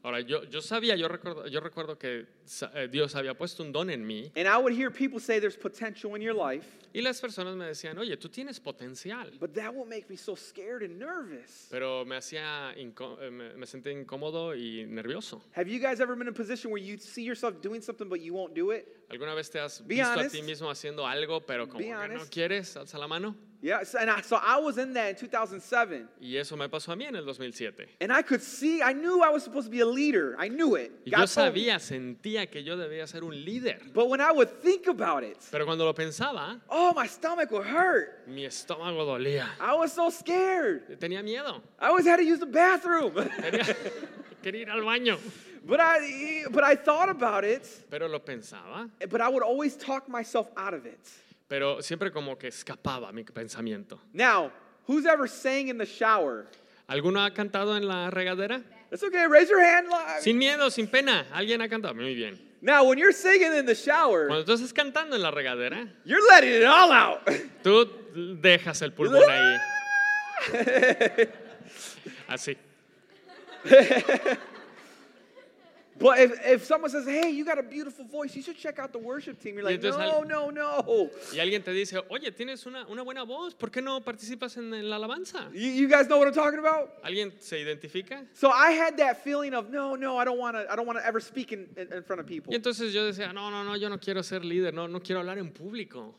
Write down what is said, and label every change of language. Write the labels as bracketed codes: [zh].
[es] Ahora, yo sabía, yo recuerdo que Dios había puesto un don en mí. [en] And I would hear people say there's potential in your life. [es] Y las personas me decían, oye, tú tienes potencial. [en] But that would make me so scared and nervous. [es] Pero me sentía incómodo y nervioso. [en] Have you guys ever been in a position where you see yourself doing something but you won't do it? [es] ¿Alguna vez te has visto a ti mismo haciendo algo pero como que no quieres? Alza la mano. [en] Yeah, so I was in that in 2007. [es] Y eso me pasó a mí en el 2007. [en] And I could see, I knew I was supposed to be a leader. I knew it. [es] Y yo sabía, sentía que yo debía ser un líder. [en] But when I would think about it. [es] Pero cuando lo pensaba. [en] Oh, my stomach would hurt. [es] Mi estómago dolía. [en] I was so scared. [es] Tenía miedo. [en] I always had to use the bathroom. [es] Quería ir al baño. [en] But I thought about it. [es] Pero lo pensaba. [en] But I would always talk myself out of it. [es] Pero siempre como que escapaba mi pensamiento. [en] Now, who's ever sang in the shower? [es] ¿Alguno ha cantado en la regadera? [en] It's okay, raise your hand. [es] Sin miedo, sin pena. ¿Alguien ha cantado? Muy bien. [en] Now, when you're singing in the shower, [es] cuando tú estás cantando en la regadera, [en] you're letting it all out. [es] Tú dejas el pulmón ahí. Así. [en] But if someone says, hey, you got a beautiful voice, you should check out the worship team. You're like, no. [es] Y alguien te dice, oye, tienes una buena voz, ¿por qué no participas en la alabanza? [en] You guys know what I'm talking about? [es] ¿Alguien se identifica? [en] So I had that feeling of, no, I don't want to ever speak in front of people. [es] Y entonces yo decía, no, yo no quiero ser líder, no quiero hablar en público.